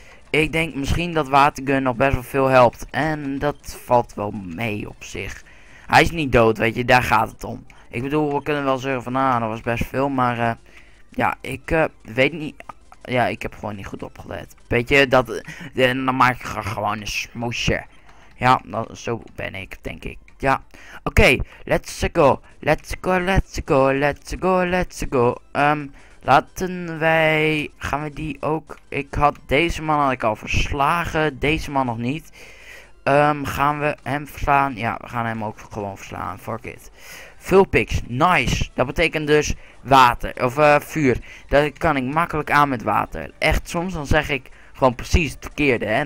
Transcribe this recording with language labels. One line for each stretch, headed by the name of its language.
Dutch: Ik denk misschien dat watergun nog best wel veel helpt. En dat valt wel mee op zich. Hij is niet dood, weet je. Daar gaat het om. Ik bedoel, we kunnen wel zeggen van... Ah, dat was best veel. Maar ja, ik weet niet... Ja, ik heb gewoon niet goed opgelet. Weet je, dat... Dan maak ik gewoon een smoesje. Ja, dat, zo ben ik, denk ik. Ja.
English: Oké, let's go. Let's go, let's go, let's go, let's go.
Dutch: Gaan we die ook. Ik had deze man had ik al verslagen. Deze man nog niet. Gaan we hem verslaan? Ja, we gaan hem ook gewoon verslaan.
English: Fuck it.
Dutch: Vulpix. Nice. Dat betekent dus water. Of vuur. Dat kan ik makkelijk aan met water. Echt, soms dan zeg ik gewoon precies het verkeerde. Hè?